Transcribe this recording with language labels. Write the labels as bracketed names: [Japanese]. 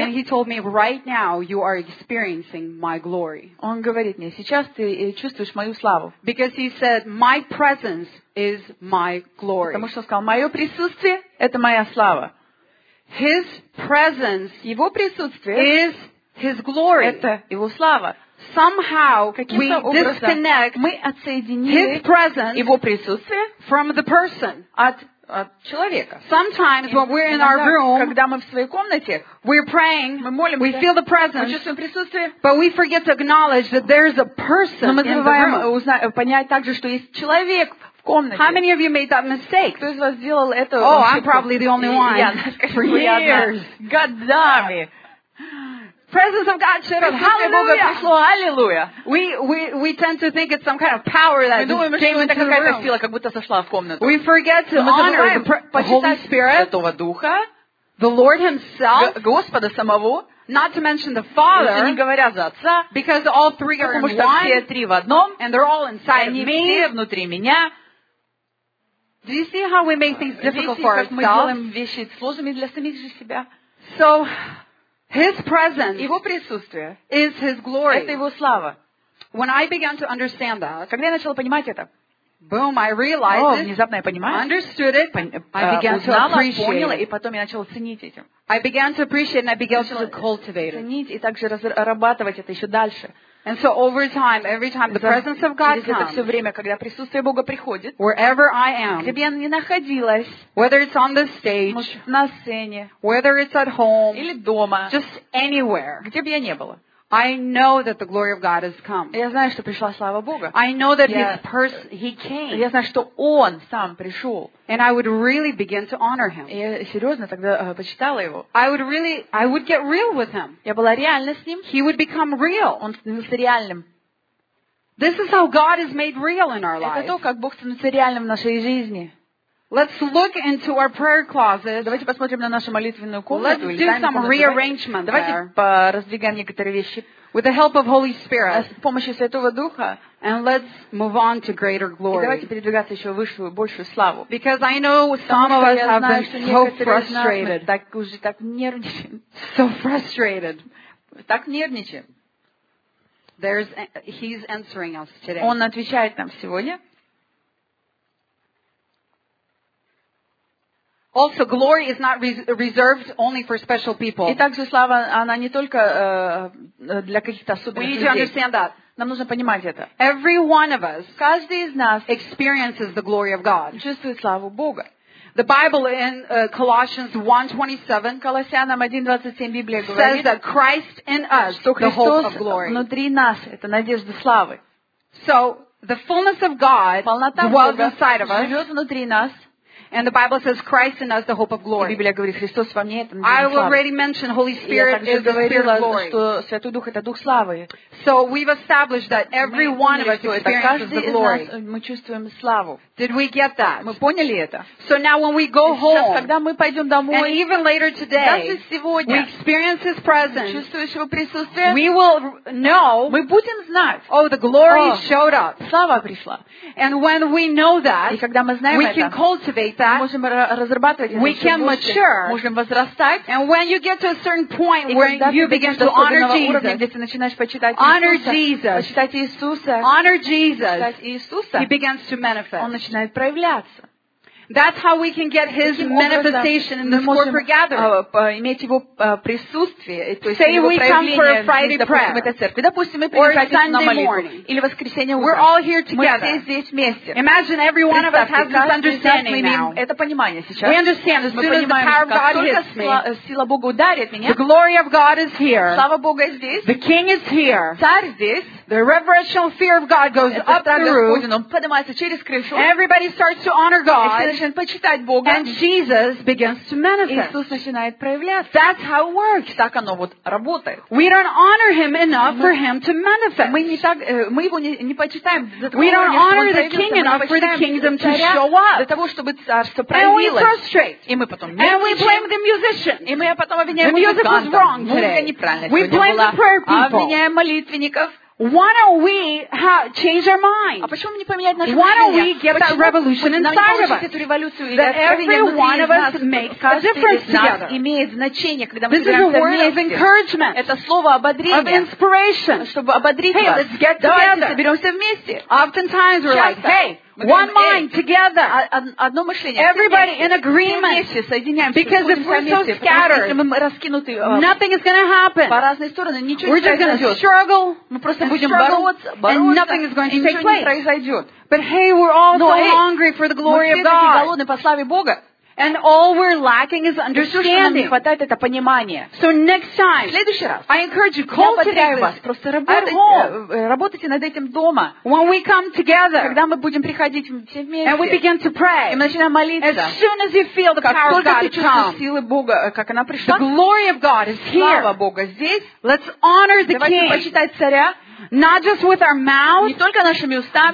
[English] And He told me, right now you are experiencing My glory. [Russian] Он говорит мне, сейчас ты чувствуешь Мою славу. [English] Because He said, My presence is My glory. [Russian] Потому что Он сказал, Мое присутствие — это Моя слава. [English] His presence, [Russian] Его присутствие, [English] is His glory. [Russian] Это Его слава. [English] Somehow we disconnect [Russian] мы отсоединили [English] His presence [Russian] Его присутствие [English] from the person. [Russian] От человека. [English] Sometimes when we're in [Russian] иногда, [English] our room, [Russian] когда мы в своей комнате, [English] we're praying, [Russian] мы молимся, [English] we feel the presence, [Russian] мы чувствуем присутствие, [English] but we forget to acknowledge that there's a person. [Russian] Но мы забываем понять также, что есть человек в комнате. [English] How many of you made that mistake? [Russian] Кто из вас сделал это? [English] Oh, [Russian] ошибку? [English] I'm probably the only one. For years, [Russian] годами. [English] Presence of God should have. Hallelujah. We tend to think it's some kind of power that came into the room. [Russian] Сила, как будто сошла в комнату. [English] We forget to honor the Holy Spirit, [Russian] Святого Духа, [English] the Lord Himself, [Russian] Господа самого, [English] not to mention the Father, [Russian] не говоря за Отца, [English] because all three are in one, [Russian] все три в одном, [English] and they're all inside [Russian] они [English] me. [Russian] Все внутри меня. [English] Do you see how we make things difficult [Russian] Видите, [English] for ourselves? [Russian] Мы делаем вещи сложными для самих же себя. [English] So, His presence, [Russian] Его присутствие, [English] is His glory. [Russian] Это Его слава. [English] When I began to understand that, [Russian] когда я начала понимать это, [English] boom, I realized it. [Russian] О, внезапно я понимаю. [English] Understood it. I began to appreciate. [Russian] Поняла и потом я начала ценить этим. [English] I began to appreciate and I began to cultivate it. [Russian] Ценить и также разрабатывать это еще дальше. [English] And so over time, every time the presence of God comes, [Russian] это все время, когда присутствие Бога приходит, [English] wherever I am, [Russian] где бы я ни находилась, [English] whether it's on the stage, [Russian] на сцене, [English] whether it's at home, [Russian] или дома, [English] just anywhere, [Russian] где бы я ни была, [English] I know that the glory of God has come. [Russian] Я знаю, что пришла слава Бога. [English] I know that His person, He came. [Russian] Я знаю, что Он сам пришел. [English] And I would really begin to honor Him. [Russian] Я серьезно тогда почитала Его. [English] I would get real with Him. [Russian] Я была реальна с Ним. [English] He would become real. [Russian] Он становился реальным. [English] This is how God is made real in our lives. [Russian] Это то, как Бог становится реальным в нашей жизни. [English] Let's look into our prayer closet. [Russian] Давайте посмотрим на нашу молитвенную комнату. [English] Let's do some rearrangement. [Russian] Давайте пораздвигаем некоторые вещи. [English] With the help of Holy Spirit. [Russian] С помощью Святого Духа. [English] And let's move on to greater glory. [Russian] И давайте передвигаться еще выше, большую славу. [English] Because I know some of us have been so frustrated. [Russian] Так уже так нервничаем. [English] So frustrated. [Russian] Так нервничаем. [English] He's answering us today. [Russian] Он отвечает нам сегодня. [English] Also, glory is not reserved only for special people. [Russian] И также слава, она не только для каких-то особенных людей. [English] We need to understand that. [Russian] Нам нужно понимать это. [English] Every one of us, [Russian] каждый из нас, [English] experiences the glory of God. [Russian] Чувствует славу Бога. [English] The Bible in Colossians 1:27, [Russian] Колоссянам 1:27 Библия говорит, [English] says that Christ in us, [Russian] что [English] the hope of glory. [Russian] Внутри нас это надежда славы. [English] So the fullness of God dwells inside of us. [Russian] Живет внутри нас. [English] And the Bible says Christ in us the hope of glory. [Russian] Библия говорит Христос во мне это надежда славы. [English] I already mentioned Holy Spirit is the Spirit of glory. [Russian] Я также говорила, что Святой Дух это Дух славы. [English] So we've established that every one of us experiences the glory. [Russian] Мы чувствуем славу. [English] Did we get that? [Russian] Мы поняли это. [English] So now when we go home, [Russian] когда мы пойдем домой, [English] and even later today, [Russian] даже сегодня, [English] we experience His presence. [Russian] Чувствуешь Его присутствие? [English] We will know. [Russian] Мы будем знать. [English] Oh, the glory showed up. [Russian] Слава пришла. [English] And when we know that, [Russian] и когда мы знаем [English] we [Russian] это, [English] can cultivate. [Russian] Мы можем разрабатывать, [English] we can mature, [Russian] можем возрастать. [English] And when you get to a certain point where you begin to honor Jesus, [Russian] где ты начинаешь почитать [English] Иисуса, honor Jesus, [Russian] почитать Иисуса, [English] honor Jesus, [Russian] почитать Иисуса, [English] He begins to manifest. [Russian] Он начинает проявляться. [English] That's how we can get his manifestation in this corporate gathering. Say we come for a Friday prayer. [Russian] Допустим, [English] or Sunday morning. We're all here together. Imagine every one of us has this understanding now. We understand as soon as the power of God hits me. [Russian] Сила Бога ударит меня. [English] The glory of God is here. [Russian] Слава Бога здесь. [English] The King is here. [Russian] Царь здесь. [English] The reverential fear of God goes up the roof. [Russian] Он поднимается через крышу. [English] Everybody starts to honor God. [Russian] И все начинают почитать Бога. [English] And Jesus begins to manifest. [Russian] Иисус начинает проявляться. [English] That's how it works. [Russian] Так оно вот работает. [English] We don't honor Him enough for Him to manifest. [Russian] Мы не так, мы его не почитаем. [English] We don't honor the King enough for the kingdom to show up. [Russian] Для того чтобы царство проявилось. [English] And we frustrate. [Russian] И мы потом. [English] And we blame the musician. [Russian] И мы потом обвиняем музыкантов. [English] The music was wrong today. [Russian] Музыка неправильная. [English] We blame the prayer people. [Russian] Обвиняем молитвенников. [English] Why don't we change our mind? Why don't we get that revolution inside of us? That every one of us makes a difference together. This is a word of encouragement. Of inspiration. Hey, let's get together. Oftentimes we're like, hey, one mind together. Everybody in agreement. Because if we're so scattered, nothing is going to happen. We're just going to struggle and nothing is going to take place. But hey, we're all so hungry for the glory of God. And all we're lacking is understanding. So next time, I encourage you, cultivate [Russian] вас, [English] us at home. [Russian] Над этим дома. [English] When we come together, [Russian] когда мы будем приходить все вместе, [English] and we begin to pray, [Russian] и мы начинаем молиться, [English] as soon as you feel the power of God come, [Russian] силы Бога, как она пришла, [English] the glory of God is here. [Russian] Слава Бога здесь. [English] Let's honor the [Russian] Давайте [English] King. [Russian] Почитать царя. [English] Not just with our mouth, [Russian] не только нашими устами,